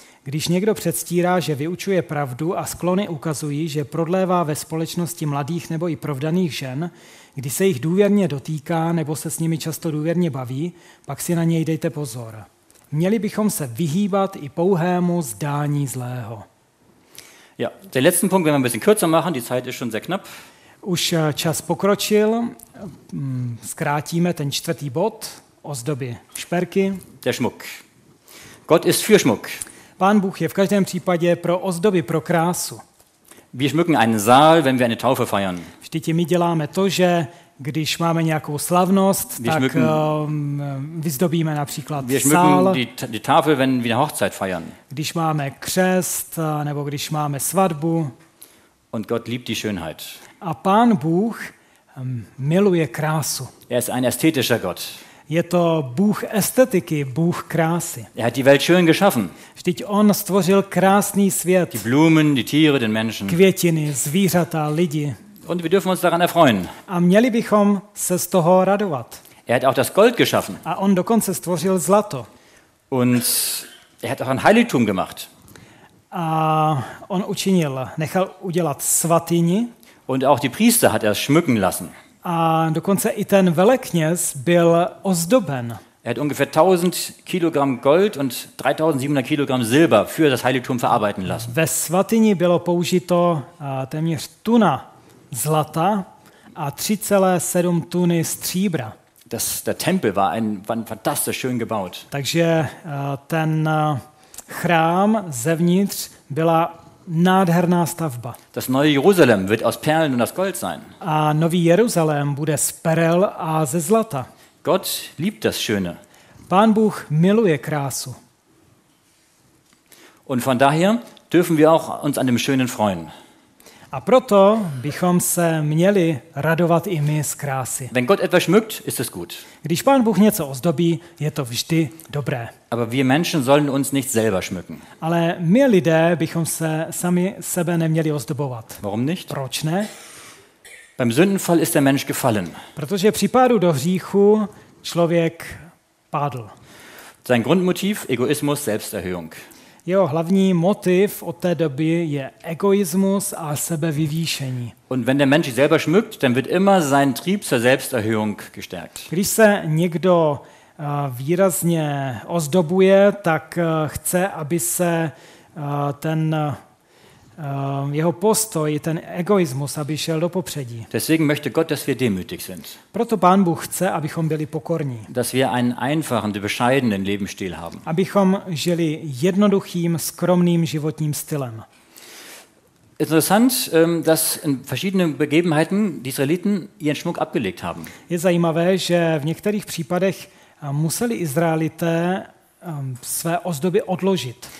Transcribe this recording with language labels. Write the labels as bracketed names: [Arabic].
[Czech] Když někdo předstírá, že vyučuje pravdu a sklony ukazují, že prodlévá ve společnosti mladých nebo i provdaných žen, kdy se jich důvěrně dotýká nebo se s nimi často důvěrně baví, pak si na něj dejte pozor. Měli bychom se vyhýbat i pouhému zdání zlého. [German] Ja, der letzten Punkt, wenn wir ein bisschen kürzer machen, die Zeit ist schon sehr knapp. [Czech] Už čas pokročil, zkrátíme ten 4. bod, ozdoby šperky. [German] Der Schmuck. Gott ist für Schmuck. [Czech] Pán Bůh je v každém případě pro ozdoby, pro krásu. [German] Wir schmücken einen Saal, wenn wir eine Taufe feiern. [Czech] Vždyť my děláme to, že když máme nějakou slavnost, tak vyzdobíme například sál. [German] Wir schmücken die Tafel, wenn wir eine Hochzeit feiern. [Czech] Když máme křest, nebo když máme svatbu. [German] Und Gott liebt die Schönheit. [Czech] A Pán Bůh miluje krásu. [German] Er ist ein ästhetischer Gott. [Czech] Je to Bůh estetiky, Bůh krásy. [German] Er hat die Welt schön geschaffen. [Czech] Vždyť on stvořil krásný svět. [German] Die Blumen, die Tiere, den Menschen. [Czech] Květiny, zvířata, lidi. [German] Und wir dürfen uns daran erfreuen. [Czech] A měli bychom se z toho radovat. [German] Er hat auch das Gold geschaffen. [Czech] A on dokonce stvořil zlato. [German] Und er hat auch ein Heiligtum gemacht. [Czech] A on učinil, nechal udělat svatyni. [German] Und auch die Priester hat er schmücken lassen. [Czech] A dokonce i ten velekněz byl ozdoben. [German] Er hat ungefähr 1000 Kilogramm Gold und 3700 Kilogramm Silber für das Heiligtum verarbeiten lassen. [Czech] Ve svatyni bylo použito téměř tuna zlata a 3,7 tuny stříbra. [German] Der Tempel war fantastisch schön gebaut. [Czech] Takže ten chrám zevnitř byla nádherná stavba. [German] Das neue Jerusalem wird aus Perlen und aus Gold sein. [Czech] A nový Jeruzalém bude z perel a ze zlata. [German] Gott liebt das Schöne. [Czech] Pán Bůh miluje krásu. [German] Und von daher dürfen wir auch uns an dem Schönen freuen. [Czech] A proto bychom se měli radovat i my z krásy. [German] Wenn Gott etwas schmückt, ist es gut. [Czech] Když Pán Bůh něco ozdobí, je to vždy dobré. [German] Aber wir Menschen sollen uns nicht selber schmücken. [Czech] Ale my lidé bychom se sami sebe neměli ozdobovat. [German] Warum nicht? [Czech] Proč ne? [German] Beim Sündenfall ist der Mensch gefallen. [Czech] Protože při pádu do hříchu člověk padl. [German] Sein Grundmotiv, Egoismus, Selbsterhöhung. [Czech] Jeho hlavní motiv od té doby je egoismus a sebevyvýšení. [German] Und wenn der Mensch sich selber schmückt, dann wird immer sein Trieb zur Selbsterhöhung gestärkt. [Czech] Když se někdo výrazně ozdobuje, tak chce, aby se ten jeho postoj, ten egoismus, aby šel do popředí. [German] Deswegen möchte Gott, dass wir demütig sind. [Czech] Proto Pán Bůh chce, abychom byli pokorní. [German] Dass wir einen einfachen, bescheidenen Lebensstil haben. [Czech] Abychom žili jednoduchým, skromným životním stylem. [German] Interessant, dass in verschiedenen Begebenheiten die Israeliten ihren Schmuck abgelegt haben. [Czech] Je zajímavé, že v některých případech museli Izraelité své ozdoby odložit.